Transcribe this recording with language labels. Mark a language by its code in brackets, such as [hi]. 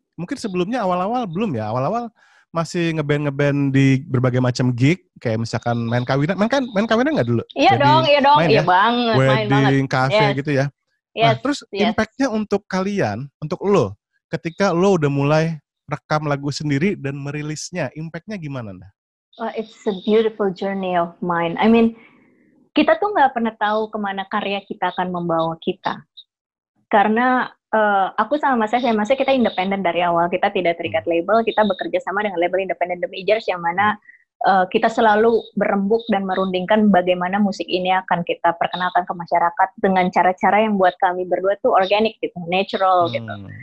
[id] Mungkin sebelumnya awal-awal belum ya, awal-awal masih ngeband-ngeband di berbagai macam gig, kayak misalkan main kawinan, main kawinan nggak dulu? Iya dong, main banget. [en] Wedding, cafe [id] gitu ya. Terus impact-nya untuk kalian, untuk lo, ketika lo udah mulai rekam lagu sendiri dan merilisnya, impact-nya gimana? [en] It's a beautiful journey of mine. I mean, [id] kita tuh nggak pernah tahu kemana karya kita akan membawa kita. Karena aku sama Mas Sesya, Mas Sesya kita independen dari awal, kita tidak terikat label, kita bekerja sama dengan label independen The Majors yang mana kita selalu berembuk dan merundingkan bagaimana musik ini akan kita perkenalkan ke masyarakat dengan cara-cara yang buat kami berdua tuh organik gitu, natural gitu.